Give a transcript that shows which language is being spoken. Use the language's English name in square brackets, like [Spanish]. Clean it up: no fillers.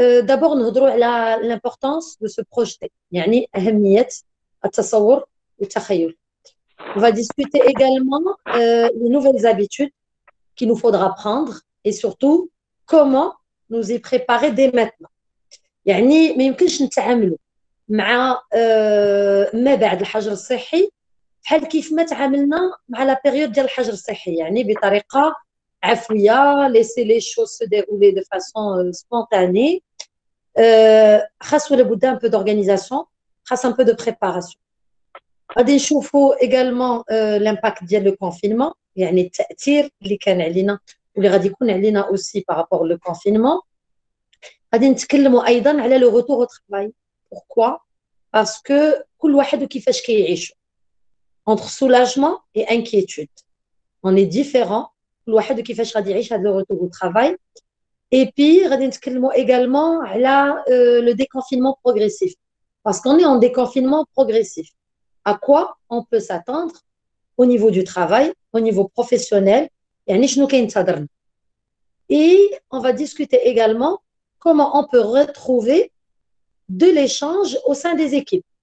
[French] D'abord, nous aurons l'importance de se projeter, [Arabic] يعني أهمية التصور والتخيل. [French] On va discuter également les nouvelles habitudes qu'il nous faudra prendre et surtout comment nous y préparer dès maintenant. [Arabic] يعني ما يمكنش نتعاملوا مع ما بعد الحجر الصحي بحال كيف ما تعاملنا مع [French] لا بيريود [Arabic] ديال الحجر الصحي، يعني بطريقه عفويه، [French] ليسي لي شوز سو ديغولي دو فاسون سبونتاني. [Arabic] خاص ولا بد [French] ان بو دورغانيزاسيون، [Arabic] خاص [French] ان بو دو بريباراسيون. [Arabic] غادي نشوفوا [French] ايغالمون لامباكت [Arabic] ديال [French] لو كونفينمون، [Arabic] يعني التاثير اللي كان علينا واللي غادي يكون علينا [French] اوسي بارابور لو كونفينمون. [Arabic] غادي نتكلموا ايضا على [French] لو غوتور او [Arabic] طرافاي. [French] Pourquoi? Parce que [Arabic] كل واحد كيفاش كيعيش [French] entre soulagement et inquiétude. On est différent. [Arabic] كل واحد كيفاش غادي يعيش هذا لو [French] retour au travail. Et puis [Arabic] غادي نتكلموا [French] également على le déconfinement progressif. Parce qu'on est en déconfinement progressif. À quoi on peut s'attendre au niveau du travail, au niveau professionnel, [Arabic] يعني شنو كينتظرنا. [French] Et on va discuter également comment on peut retrouver de l'échange au sein des équipes.